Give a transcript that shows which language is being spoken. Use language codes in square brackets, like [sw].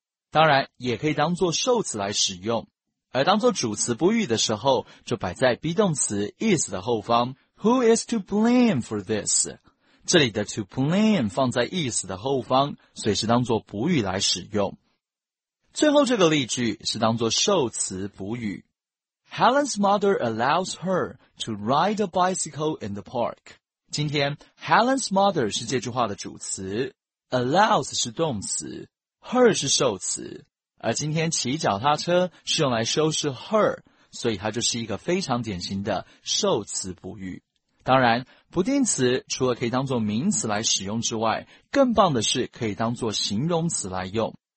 [zh] 当然也可以当作受词来使用，而当作主词补语的时候就摆在 be 动词 is 的后方。 [en] Who is to blame for this? [zh] 这里的 to blame 放在 is 的后方，所以是当作补语来使用。最后这个例句是当作受词补语。 [en] Helen's mother allows her to ride a bicycle in the park. [zh] 今天 Helen's mother 是这句话的主词， allows 是动词， her 是受词，而今天骑脚踏车是用来修饰 her，所以它就是一个非常典型的受词补语。当然不定词除了可以当作名词来使用之外，更棒的是可以当作形容词来用。